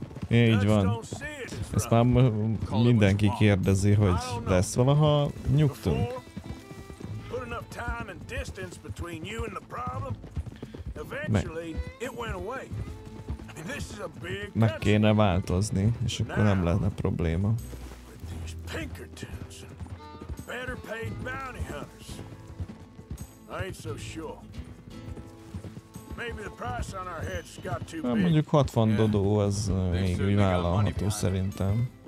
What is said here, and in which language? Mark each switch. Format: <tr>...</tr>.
<hu>Így van. Ezt már mindenki kérdezi, hogy lesz valaha nyugtunk.</hu> <en>Time and distance between you and the problem. Eventually, it went away. I mean, this is a big.</en> <hu>Meg kéne változni, és akkor nem lenne probléma.</hu> <en>These Pinkertons, better paid bounty hunters. I ain't so sure. Maybe the price on our heads got too big.</en> <hu>Mondjuk 60 dodó az még vállalható szerintem.</hu>